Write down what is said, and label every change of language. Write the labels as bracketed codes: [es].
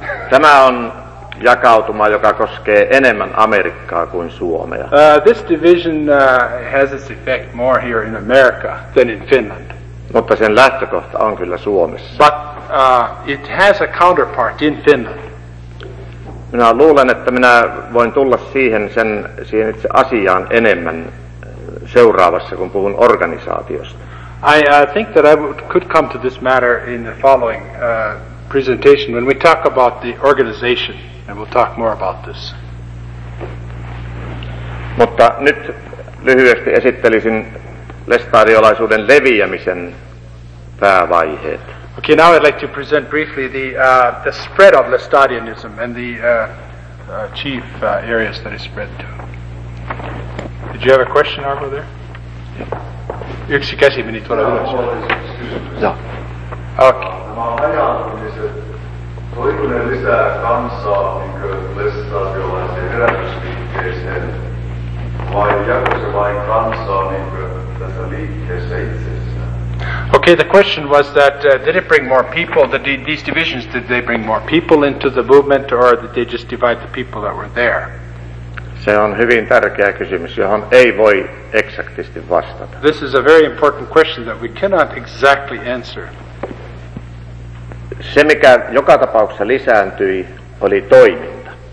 [fi] Tämä on jakautuma, joka koskee enemmän Amerikkaa kuin Suomea. [en] This division has its effect more here in America than in Finland. [fi] Mutta sen lähtökohta on kyllä Suomessa. [en] But it has a counterpart in Finland. [fi] Minä luulen, että minä voin tulla siihen itse asiaan enemmän seuraavassa, kun puhun organisaatiosta. [en] I think that I could come to this matter in the following presentation when we talk about the organization, and we'll talk more about this. [fi] Mutta nyt lyhyesti esittelisin lestadiolaisuuden leviämisen päävaiheet. [en] Okay, now I'd like to present briefly the spread of lestadianism and the chief areas that it spread to. Did you have a question, Arvo, there? [fi] Yksi käsi meni tuolla ylös. Joo. Okei. Nämä ajantumiset, oliko ne lisää kansaa lestadiolaisen herätysliikkeeseen, vai jako se vain kansaa tässä liikkeessä itsessään? [en] Okay, the question was that, did it bring more people, these divisions, did they bring more people into the movement, or did they just divide the people that were there? [fi] Se on hyvin tärkeä kysymys, johon ei voi eksaktisti vastata. [en] This is a very important question that we cannot exactly answer. [fi] Se, mikä joka tapauksessa lisääntyi, oli toiminta.